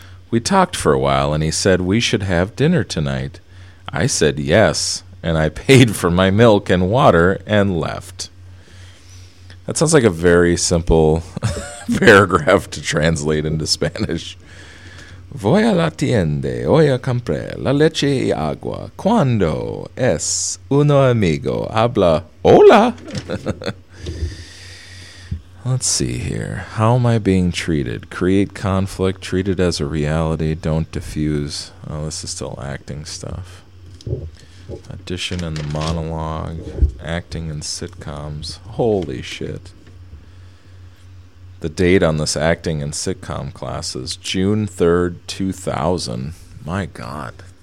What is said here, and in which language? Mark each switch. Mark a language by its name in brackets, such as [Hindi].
[English] We talked for a while and he said we should have dinner tonight. I said yes, and I paid for my milk and water and left. That sounds like a very simple paragraph to translate into Spanish. [Spanish] Voy a la tienda, voy a comprar la leche y agua. Cuando es uno amigo, habla hola. [English] Let's see here. How am I being treated? Create conflict, treat it as a reality, don't diffuse. Oh, this is still acting stuff. Audition and the monologue, acting in sitcoms. Holy shit. The date on this acting and sitcom class is June 3rd, 2000. My God.